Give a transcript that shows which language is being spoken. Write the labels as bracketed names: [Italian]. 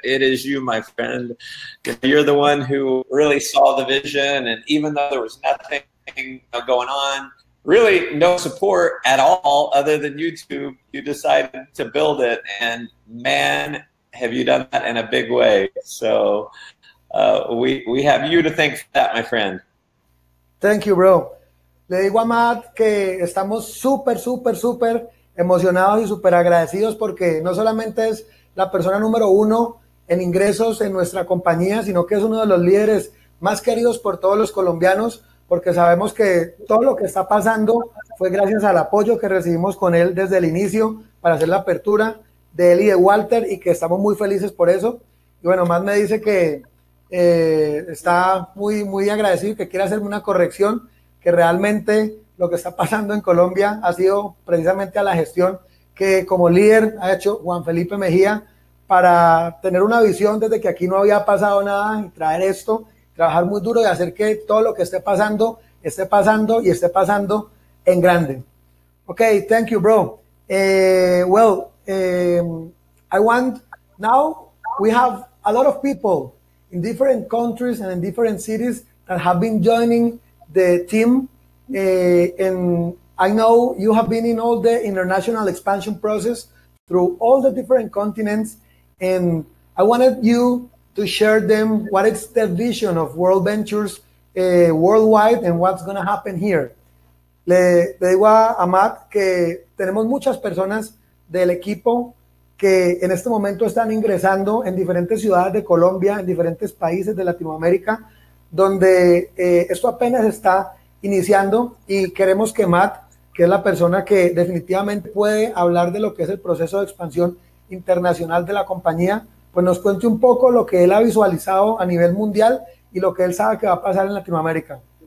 [English] It is you, my friend. You're the one who really saw the vision, and even though there was nothing going on, really no support at all other than YouTube, you decided to build it. And man, have you done that in a big way. So we have you to thank for that, my friend. Thank you, bro. [Spanish] Le digo a Matt que estamos súper, súper, súper emocionados y súper agradecidos porque no solamente es la persona número uno en ingresos en nuestra compañía, sino que es uno de los líderes más queridos por todos los colombianos, porque sabemos que todo lo que está pasando fue gracias al apoyo que recibimos con él desde el inicio para hacer la apertura de él y de Walter y que estamos muy felices por eso. Y bueno, Matt me dice que está muy, muy agradecido y que quiere hacerme una corrección, que realmente lo que está pasando en Colombia ha sido precisamente a la gestión que como líder ha hecho Juan Felipe Mejía para tener una visión desde que aquí no había pasado nada y traer esto, trabajar muy duro y hacer que todo lo que esté pasando, esté pasando y esté pasando en grande. [English] Ok, thank you, bro. I want, now we have a lot of people in different countries and in different cities that have been joining the team. And I know you have been in all the international expansion process through all the different continents. And I wanted you to share them what is the vision of World Ventures worldwide and what's going to happen here. [Spanish] Le digo a Matt que tenemos muchas personas del equipo que en este momento están ingresando en diferentes ciudades de Colombia, en diferentes países de Latinoamérica, donde esto apenas está iniciando y queremos que Matt, que es la persona que definitivamente puede hablar de lo que es el proceso de expansión internacional de la compañía, pues nos cuente un poco lo que él ha visualizado a nivel mundial y lo que él sabe que va a pasar en Latinoamérica.